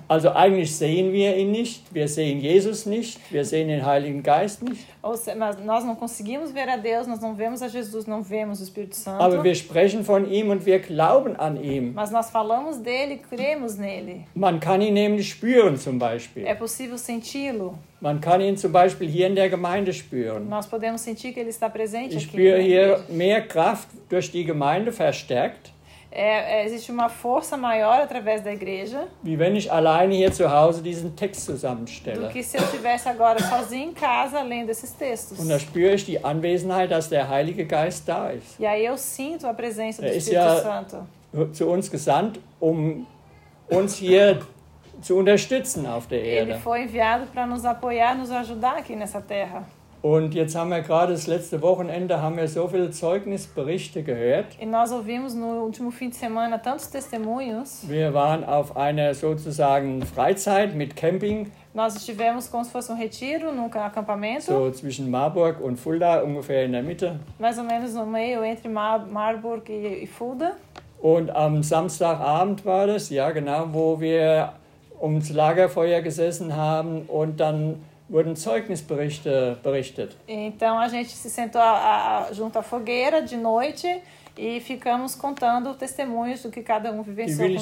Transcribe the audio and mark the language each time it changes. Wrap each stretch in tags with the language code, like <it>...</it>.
<de>Also eigentlich sehen wir ihn nicht, wir sehen Jesus nicht, wir sehen den Heiligen Geist nicht.</de> <pt>Mas nós não conseguimos ver a Deus, nós não vemos a Jesus, não vemos o Espírito Santo.</pt> <de>Aber wir sprechen von ihm und wir glauben an ihm.</de> <pt>Mas nós falamos dele, cremos nele.</pt> <de>Man kann ihn nämlich spüren zum Beispiel.</de> <pt>É possível senti-lo.</pt> <de>Man kann ihn zum Beispiel hier in der Gemeinde spüren.</de> <pt>Nós podemos sentir que ele está presente aqui.</pt> <de>Ich spüre hier mehr Kraft durch die Gemeinde verstärkt.</de> <pt>Existe uma força maior através da igreja.</pt> <de>Wie wenn ich alleine hier zu Hause diesen Text zusammenstelle.</de> <pt>Do que se eu estivesse agora sozinho em casa lendo esses textos.</pt> <de>Und da spüre ich die Anwesenheit, dass der Heilige Geist da ist.</de> <pt>E aí eu sinto a presença do Espírito Santo.</pt> <de>Er ist ja zu uns gesandt, um uns hier zu unterstützen auf der Erde.</de> <pt>Ele foi enviado para nos apoiar, nos ajudar aqui nessa terra.</pt> <de>Und jetzt haben wir gerade das letzte Wochenende haben wir so viele Zeugnisberichte gehört.</de> <pt>E nós ouvimos no último fim de semana tantos testemunhos.</pt> <de>Wir waren auf einer sozusagen Freizeit mit Camping.</de> <pt>Nós estivemos como se fosse retiro num acampamento.</pt> <de>So zwischen Marburg und Fulda ungefähr in der Mitte.</de> <pt>Mais ou menos no meio entre Marburg e Fulda.</pt> <de>Und am Samstagabend war das, ja genau, wo wir ums Lagerfeuer gesessen haben und dann wurden Zeugnisberichte berichtet.</de> <pt>Então a gente se sentou junto à fogueira de noite e ficamos contando testemunhos do que cada um vivenciou com Deus.</pt>